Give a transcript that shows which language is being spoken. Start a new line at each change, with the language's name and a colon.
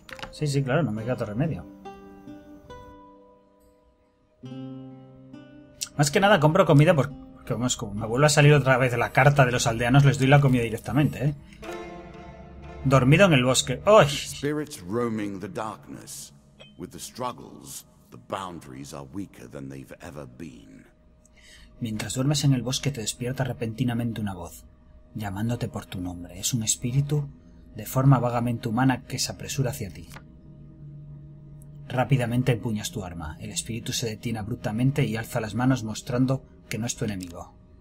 Spanish: Sí, sí, claro, no me queda otro remedio. Más que nada compro comida porque vamos, como me vuelve a salir otra vez la carta de los aldeanos, les doy la comida directamente, ¿eh? Dormido en el bosque. ¡Uy!
English: Spirits roaming the darkness. With the struggles, the boundaries are weaker than they've ever been.
Spanish: Mientras duermes en el bosque, te despierta repentinamente una voz, llamándote por tu nombre. Es un espíritu de forma vagamente humana que se apresura hacia ti. Rápidamente empuñas tu arma. El espíritu se detiene abruptamente y alza las manos mostrando que no es tu enemigo.